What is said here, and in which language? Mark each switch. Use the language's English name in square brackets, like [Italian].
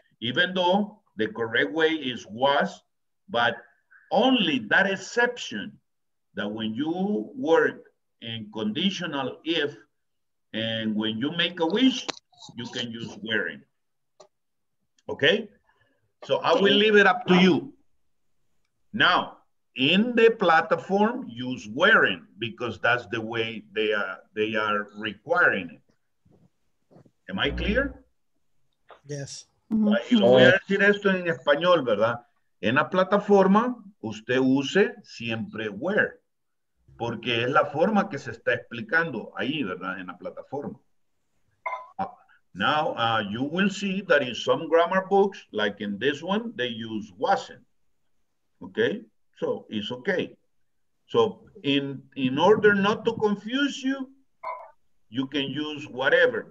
[English] Even though the correct way is was, but only that exception that when you work in conditional if, and when you make a wish, you can use wearing. Okay? So I will leave it up to you. Now, in the platform, use wearing because that's the way they are requiring it. Am I clear? Yes. [Spanish] Y lo voy a decir esto en español, ¿verdad? En la plataforma, usted use siempre wear. Porque es la forma que se está explicando ahí, ¿verdad? En la plataforma. [English] Now, you will see that in some grammar books, like in this one, they use wasn't. Okay? So, it's okay. So, in order not to confuse you, you can use whatever.